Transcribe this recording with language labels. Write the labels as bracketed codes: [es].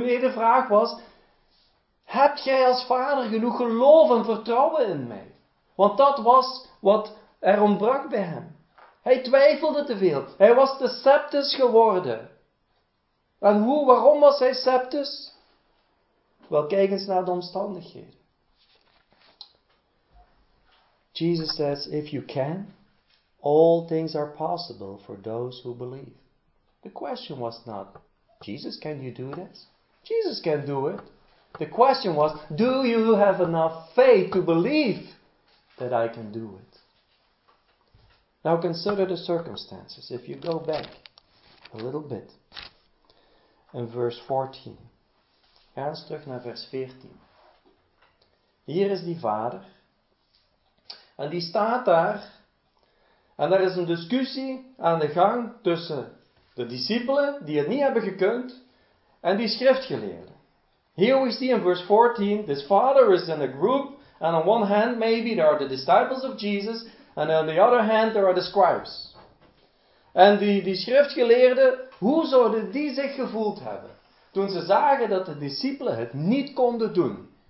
[nl] Nee, de vraag was, heb jij als vader genoeg geloof en vertrouwen in mij? Want dat was wat er ontbrak bij hem. Hij twijfelde te veel. Hij was te sceptisch geworden. En hoe, waarom was hij sceptisch? Wel, kijk eens naar de omstandigheden. [en] Jesus says, if you can, all things are possible for those who believe. The question was not, Jesus, can you do this? Jesus can do it. The question was, do you have enough faith to believe that I can do it? Now consider the circumstances. If you go back a little bit. [nl] In vers 14. Ga eens terug naar vers 14. Hier is die vader. En die staat daar. En daar is een discussie aan de gang tussen de discipelen die het niet hebben gekund en die schriftgeleerden. [en] Here we see in verse 14, this father is in a group and on one hand maybe there are the disciples of Jesus and on the other hand there are the scribes. [nl] En die schriftgeleerden, hoe zouden die zich gevoeld hebben toen ze zagen dat de discipelen het niet konden doen?